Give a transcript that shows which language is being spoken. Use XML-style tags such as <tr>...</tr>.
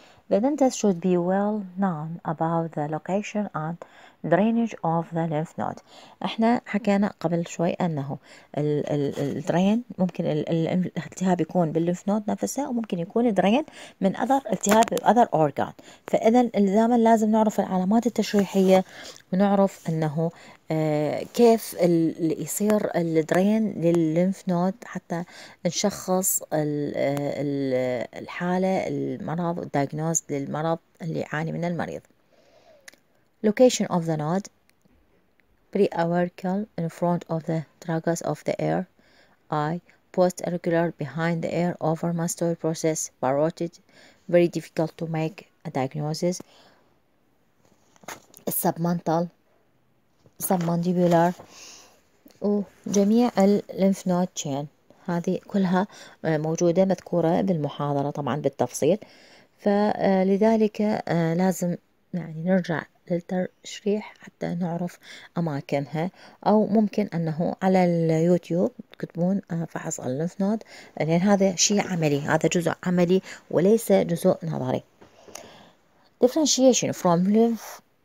<en>The dentist should be well known about the location and drainage of the lymph node.</en> <ar>احنا حكينا قبل شوي انه الدرين ممكن الالتهاب يكون باللمف نود نفسها، وممكن يكون درين من اذر التهاب باذر اورجان. فاذا الزاما لازم نعرف العلامات التشريحية ونعرف انه كيف اللي يصير الدرين لللمف نود حتى نشخص الحالة المرض والدياجنوز للمرض اللي يعاني من المريض.</ar> <en>Location of the node, pre-auricular, in front of the tragus of the ear, eye, post-auricular, behind the ear, over mastoid process, parotid, very difficult to make a diagnosis, submental, submandibular,</en> <ar>وجميع</ar> <en>lymph node chain.</en> <ar>هذه كلها موجودة مذكورة بالمحاضرة طبعا بالتفصيل، فلذلك لازم يعني نرجع للتشريح حتى نعرف أماكنها، أو ممكن أنه على اليوتيوب تكتبون فحص الليمف نود، لأن هذا شيء عملي، هذا جزء عملي وليس جزء نظري.</ar> <en>Differentiation from lymph</en>